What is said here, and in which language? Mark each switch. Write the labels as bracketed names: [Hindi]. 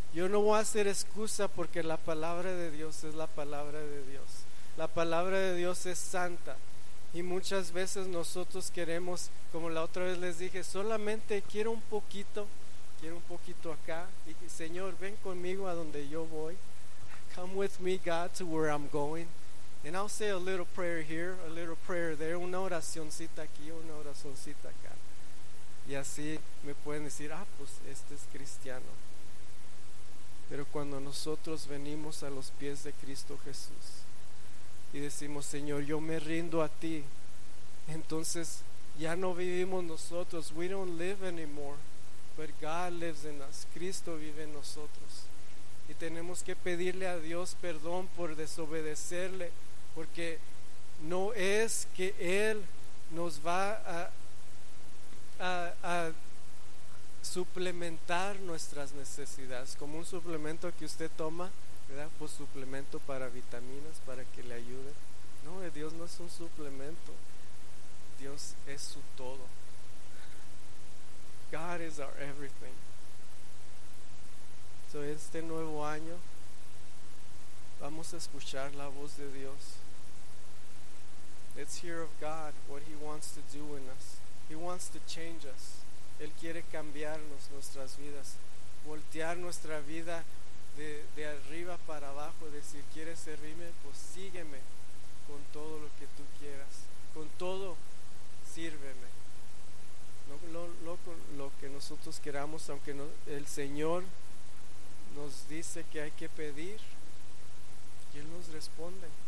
[Spanish] Yo no voy a hacer excusa porque la palabra de Dios es la palabra de Dios. La palabra de Dios es santa. Y muchas veces nosotros queremos, como la otra vez les dije, solamente quiero un poquito acá. Y Señor, ven conmigo a donde yo voy. [English] Come with me, God, to where I'm going. And I'll say a little prayer here, a little prayer there, [Spanish] una oracioncita aquí, una oracioncita acá. Y así me pueden decir, ah, pues este es cristiano. Pero cuando nosotros venimos a los pies de Cristo Jesús y decimos, Señor, yo me rindo a ti, entonces ya no vivimos nosotros. [English] We don't live anymore, but God lives in us. [Spanish] Cristo vive en nosotros. Y tenemos que pedirle a Dios perdón por desobedecerle, porque no es que Él nos va a suplementar nuestras necesidades, como un suplemento que usted toma, ¿verdad? Pues suplemento para vitaminas, para que le ayude. No, Dios no es un suplemento. Dios es su todo. [English] God is our everything. [Spanish] So, este nuevo año, vamos a escuchar la voz de Dios. [English] Let's hear of God, what He wants to do in us. He wants to change us. [Spanish] Él quiere cambiarnos nuestras vidas, voltear nuestra vida de arriba para abajo, decir, ¿quieres servirme? Pues sígueme con todo lo que tú quieras. Con todo, sírveme. No con lo que nosotros queramos, aunque no, el Señor nos dice que hay que pedir, y Él nos responde.